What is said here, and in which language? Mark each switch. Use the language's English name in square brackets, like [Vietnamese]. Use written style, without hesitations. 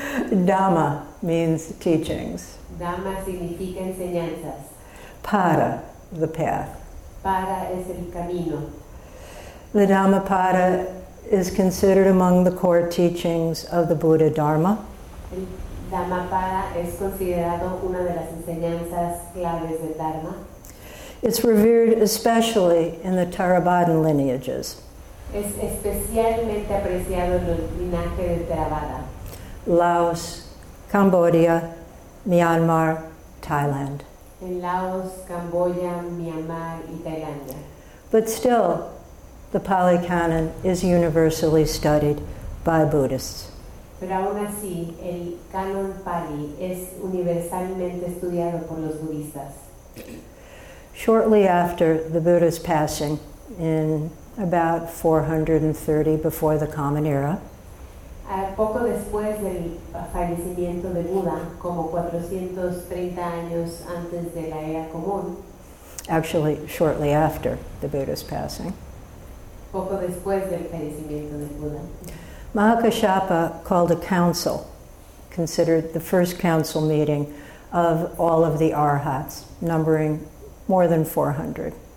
[English] Dhamma means teachings. [Spanish] Dhamma significa enseñanzas. [English] Pada, the path. [Spanish] Pada es el camino. [English] The Dhammapada is considered among the core teachings of the Buddha Dharma. [Spanish] Dhammapada es considerado una de las enseñanzas claves del Dharma. [English] It's revered especially in the Theravadan lineages. [Spanish] Es especialmente apreciado en el linaje de Theravada. [English] Laos, Cambodia, Myanmar, Thailand. [Spanish] En Laos, Cambodia, Myanmar y Tailandia. [English] But still, the Pali Canon is universally studied by Buddhists. [Spanish] Pero aún así, el canon Pali es universalmente estudiado por los budistas. [English] Shortly after the Buddha's passing, in about 430 before the Common Era, [Spanish] poco después del fallecimiento de Buda, como 430 años antes de la Era Común, [English] actually, shortly after the Buddha's passing, [Spanish] poco después del fallecimiento de Buda, [English] Mahakashapa called a council, considered the first council meeting of all of the arhats, numbering more than 400.